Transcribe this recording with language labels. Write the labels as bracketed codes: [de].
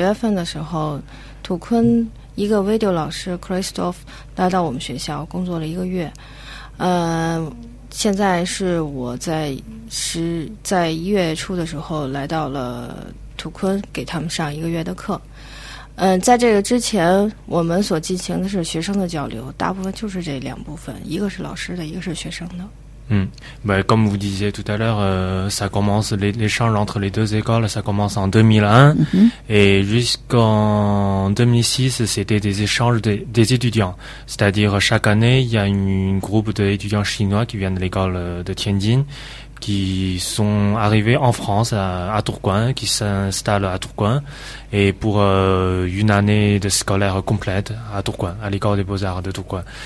[fr] Elle a dit que ces deux écoles sont en train de se faire. [zh] 一个video老师 Christoph 来到我们学校工作了一个月，现在是我在1月初的时候来到了土坤给他们上一个月的课。在这个之前我们所进行的是学生的交流，大部分就是这两部分，一个是老师的，一个是学生的。 [fr] Ben, comme vous disiez tout à l'heure, ça commence l'échange entre les deux écoles, ça commence en 2001 et jusqu'en 2006, c'était des échanges des étudiants. C'est-à-dire chaque année, il y a un groupe d'étudiants chinois qui viennent de l'école de Tianjin, qui sont arrivés en France à Tourcoing, qui s'installent à Tourcoing et pour une année de scolaire complète à Tourcoing, à l'école des beaux-arts de Tourcoing.